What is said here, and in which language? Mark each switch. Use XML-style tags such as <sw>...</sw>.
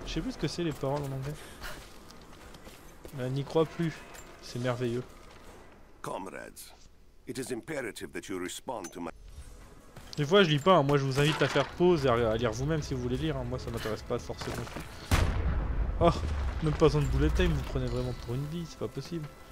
<fr>Je sais plus ce que c'est les paroles en anglais. N'y crois plus. C'est merveilleux.</fr> <en>Comrades, it is imperative that you respond to my...</en> <fr>Des fois, je lis pas. Hein. Moi, je vous invite à faire pause et à lire vous-même si vous voulez lire. Hein. Moi, ça m'intéresse pas forcément. Oh, même pas besoin de bullet time. Vous prenez vraiment pour une vie. C'est pas possible.</fr>